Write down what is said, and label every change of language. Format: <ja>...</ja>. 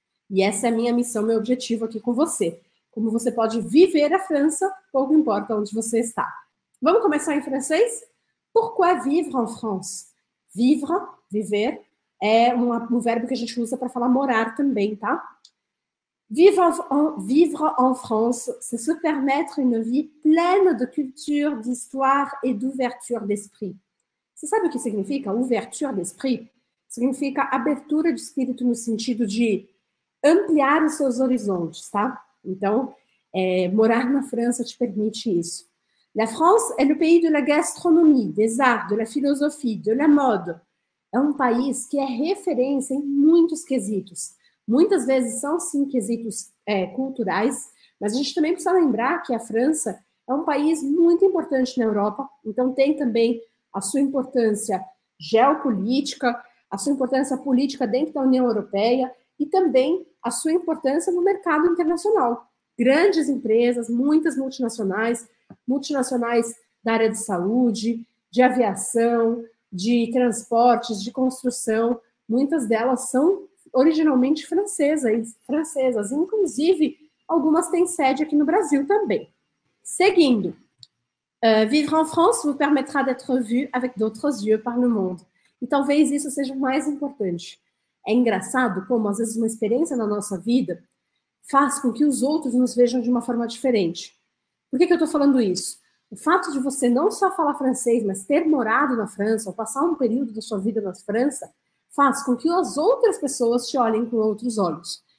<pt>E essa é a minha missão, meu objetivo aqui com você. Como você pode viver a França, pouco importa onde você está. Vamos começar em francês?</pt> <fr>Pourquoi vivre en France?</fr> <pt>Vivre, viver, é um verbo que a gente usa para falar morar também, tá?</pt> <fr>Vivre en France, c'est se permettre une vie pleine de culture, d'histoire et d'ouverture d'esprit.</fr> <pt>Você sabe o que significa ouverture d'esprit? Significa abertura de espírito no sentido de ampliar os seus horizontes, tá? Então, morar na França te permite isso.</pt> <fr>La France est le pays de la gastronomie, des arts, de la philosophie, de la mode.</fr> <pt>É um país que é referência em muitos quesitos. Muitas vezes são, sim, quesitos, culturais, mas a gente também precisa lembrar que a França é um país muito importante na Europa, então tem também a sua importância geopolítica, a sua importância política dentro da União Europeia. E também a sua importância no mercado internacional. Grandes empresas, muitas multinacionais, multinacionais da área de saúde, de aviação, de transportes, de construção, muitas delas são originalmente francesas, inclusive algumas têm sede aqui no Brasil também.</pt> <fr>Seguindo, vivre en France vous permettra d'être vu avec d'autres yeux par le monde.</fr> <pt>E talvez isso seja o mais importante. É engraçado como, às vezes, uma experiência na nossa vida faz com que os outros nos vejam de uma forma diferente. Por que que eu estou falando isso? O fato de você não só falar francês, mas ter morado na França, ou passar um período da sua vida na França, faz com que as outras pessoas te olhem com outros olhos.</pt>